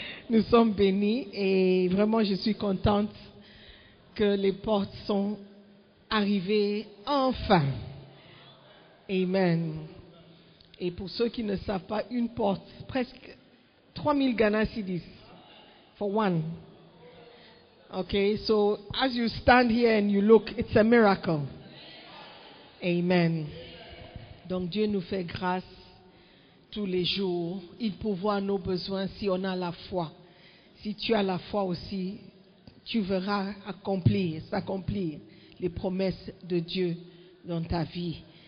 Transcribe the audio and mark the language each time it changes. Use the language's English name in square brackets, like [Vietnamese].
[French] Nous sommes bénis et vraiment, je suis contente que les portes sont arrivées enfin. Amen. Et pour ceux qui ne savent pas, une porte, presque 3000 Ghana cedis [English] for one. Okay, so as you stand here and you look, it's a miracle. Amen. [French] Donc Dieu nous fait grâce tous les jours. Il pourvoit nos besoins si on a la foi. Si tu as la foi aussi, tu verras s'accomplir les promesses de Dieu dans ta vie.